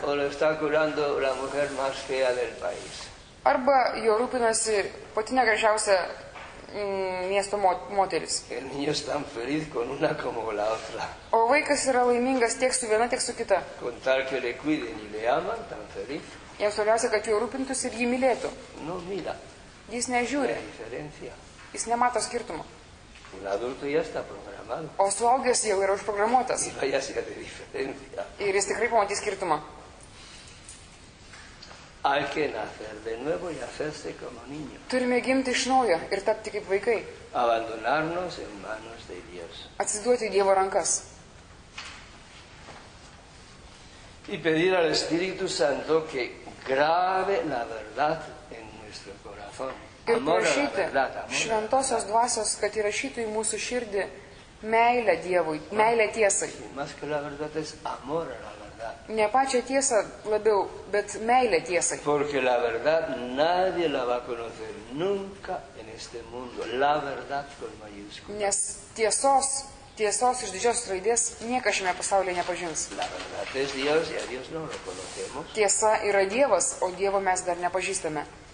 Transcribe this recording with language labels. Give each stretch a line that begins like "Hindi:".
Spanish: O lo está curando la mujer más fea del país.
Lithuanian: Arba jo rūpinasi pati negražiausia miesto moteris.
Spanish: El niño es tan feliz con una como la otra.
Lithuanian: O vaikas yra laimingas tiek su viena, tiek su kita.
Spanish: Con tal que le cuiden y le aman, tan feliz.
Lithuanian: Jiems svarbiausia, kad jo rūpintųsi ir jį mylėtų.
Spanish: No, mira.
Lithuanian: Jis nežiūri.
Spanish: Diferencia.
Lithuanian: Jis nemato skirtumo.
Spanish: Un adulto ya está programado.
Lithuanian: O suaugęs jau yra užprogramuotas.
Spanish: Y vaya si hace diferencia.
Lithuanian: Ir jis tikrai pamatys skirtumą.
Spanish: Hay que nacer de nuevo y hacerse como niño.
Lithuanian: Turime gimti iš naujo ir tapti kaip vaikai.
Spanish: Abandonarnos en manos de Dios.
Lithuanian: Atsiduoti Dievo rankas.
Spanish: Y pedir al Espíritu Santo que grave la verdad en nuestro corazón.
Lithuanian: Ir prašyti šventosios dvasios, kad įrašytų į mūsų širdį meilę Dievui, meilę tiesai.
Spanish: Más que la verdad es amor a la verdad.
Lithuanian: Ne pačią tiesą labiau, bet meilę tiesai.
Spanish: Porque la verdad nadie la va a conocer nunca en este mundo. La verdad con mayúsculas.
Lithuanian: Nes tiesos. Tiesos iš didžiosios raidės niekas šiame pasaulyje nepažins. Tiesa yra Dievas, o Dievo mes dar nepažįstame.